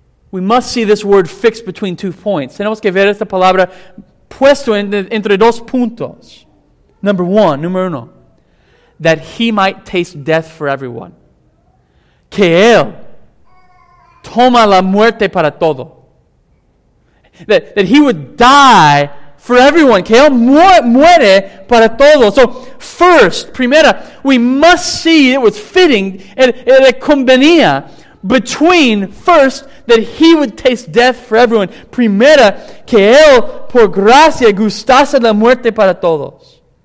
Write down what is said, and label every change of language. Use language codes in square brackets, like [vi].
[en] We must see this word fixed between two points. [es] Tenemos que ver esta palabra puesto entre dos puntos. Número uno. [en] That he might taste death for everyone. [es] Que él toma la muerte para todo. [en] That he would die for everyone. [es] Que él muere para todo. [en] So first, primera, we must see it was fitting, it convenía, between first, that he would taste death for everyone. [es] Primera, que él por gracia gustase la muerte para todos.